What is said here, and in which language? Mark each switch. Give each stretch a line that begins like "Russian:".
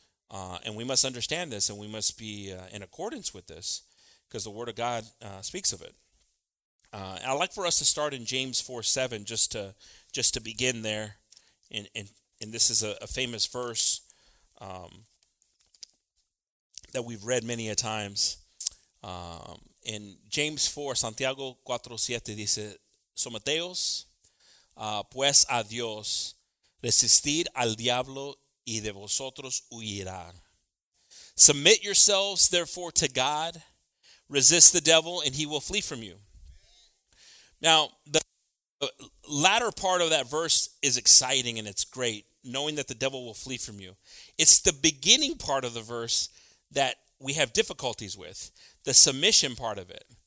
English: And we must understand this and we must be in accordance with this because the Word of God speaks of it. I'd like for us to start in James 4:7, just to begin there, and this is a famous verse that we've read many a times. In James 4:7
Spanish: dice, someteos pues a Dios, resistid al diablo y de vosotros huirá.
English: Submit yourselves therefore to God, resist the devil and he will flee from you. Now, the latter part of that verse is exciting and it's great. knowing that the devil will flee from you. It's the beginning part of the verse that we have difficulties with, the submission part of it.